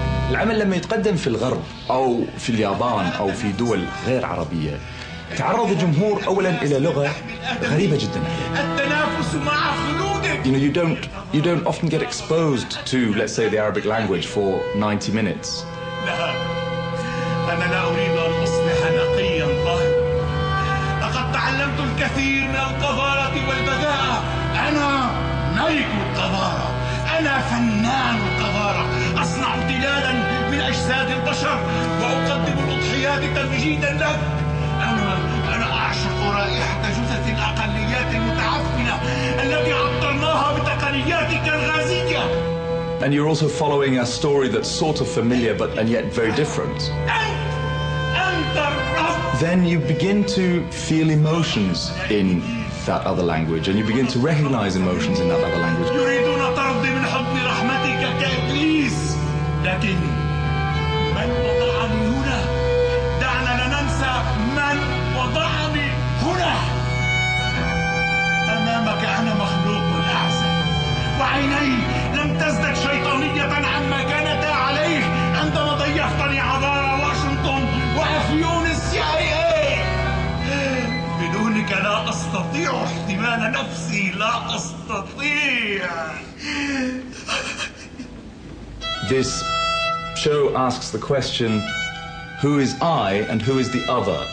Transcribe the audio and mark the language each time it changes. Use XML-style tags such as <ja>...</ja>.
<ar>العمل لما يتقدم في الغرب أو في اليابان أو في دول غير عربية تعرض الجمهور أولاً إلى لغة غريبة جداً. التنافس مع خلودك.</ar> <en>You know, you don't often get exposed to, let's say, the Arabic language for 90 minutes.</en> <ar>أنا لا أريد أن أصبح نقياً طاهراً. لقد تعلمت الكثير من القذارة والبذاءة. أنا ملك القذارة. أنا فنان القذارة. أصنع تلالاً من أجساد البشر وأقدم الأضحيات تمجيداً لك. أنا أعشق رائحة جثث الأقليات المتعفنة التي عطرناها بتقنياتك الغازية.</ar> <en>And you're also following a story that's sort of familiar but and yet very different.</en> <ar>أنت الرب.</ar> <en>Then you begin to feel emotions in that other language and you begin to recognize emotions in that other language.</en> <ar>يريدون طردي من حضن رحمتك كإبليس. لكن من وضعني هنا؟ دعنا لا ننسى من وضعني هنا. أمامك أنا مخلوق أعزب. وعيني لم تزدد شيطانية عما كانتا عليه عندما ضيفتني عبارة واشنطن وأفيون السي آي إيه. بدونك لا أستطيع احتمال نفسي، لا أستطيع.</ar> <en>This show asks the question, who is I and who is the other?</en>